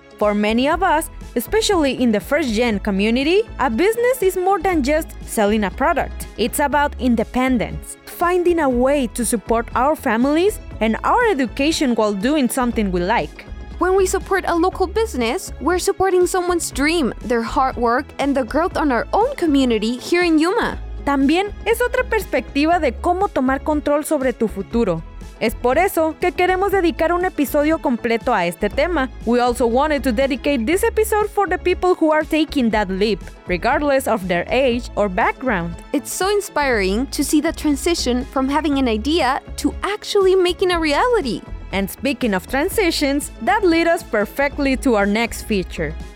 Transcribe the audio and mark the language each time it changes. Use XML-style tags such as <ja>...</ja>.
<en>For many of us, especially in the first-gen community, a business is more than just selling a product. It's about independence, finding a way to support our families and our education while doing something we like. When we support a local business, we're supporting someone's dream, their hard work, and the growth on our own community here in Yuma.</en> <es>También es otra perspectiva de cómo tomar control sobre tu futuro. Es por eso que queremos dedicar un episodio completo a este tema.</es> <en>We also wanted to dedicate this episode for the people who are taking that leap, regardless of their age or background. It's so inspiring to see the transition from having an idea to actually making a reality. And speaking of transitions, that led us perfectly to our next feature.</en>